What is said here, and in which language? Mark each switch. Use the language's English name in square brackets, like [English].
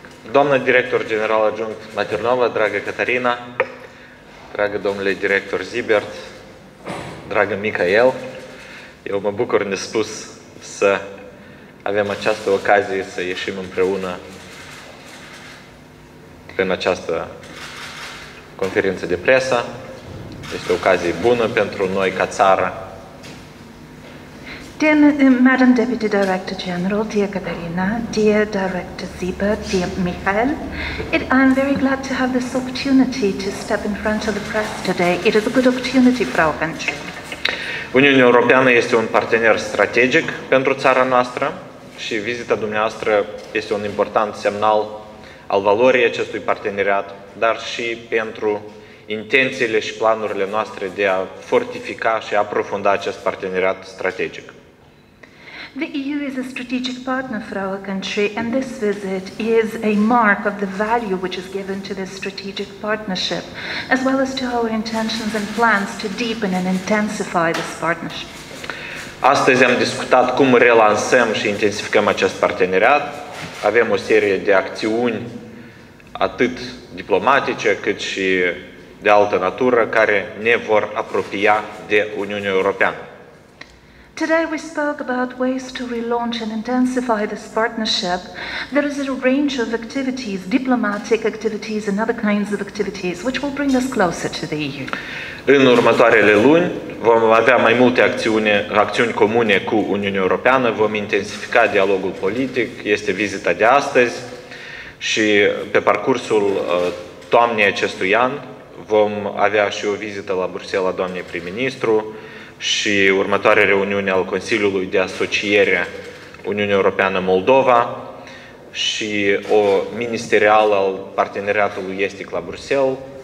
[Romanian] Doamnă director general adjunct Maternova, dragă Caterina, dragă domnule director Zibert, dragă Mihail, eu mă bucur nespus să avem această ocazie să ieșim împreună în această conferință de presă. Este o ocazie bună pentru noi ca țară. [English] Dear Madam Deputy Director General, dear Caterina, dear Director Zieber, dear Mihail, I'm very glad to have this opportunity to step in front of the press today. It is a good opportunity for our country. [Romanian] Uniunea Europeană este un partener strategic pentru țara noastră și vizita dumneavoastră este un important semnal al valorii acestui parteneriat, dar și pentru intențiile și planurile noastre de a fortifica și a aprofunda acest parteneriat strategic. [English] The EU is a strategic partner for our country and this visit is a mark of the value which is given to this strategic partnership as well as to our intentions and plans to deepen and intensify this partnership. [Romanian] Astăzi am discutat cum relansăm și intensificăm acest parteneriat. Avem o serie de acțiuni atât diplomatice, cât și de altă natură care ne vor apropia de Uniunea Europeană. [English] Today we spoke about ways to relaunch and intensify this partnership. There is a range of activities, diplomatic activities and other kinds of activities which will bring us closer to the EU. [Romanian] În următoarele luni vom avea mai multe acțiuni comune cu Uniunea Europeană, vom intensifica dialogul politic. Este vizita de astăzi și pe parcursul toamnei acestui an vom avea și o vizită la Bruxelles a doamnei prim-ministru și următoarea reuniune al Consiliului de Asociere Uniunea Europeană-Moldova și o ministerială al Parteneriatului Estic la Bruxelles.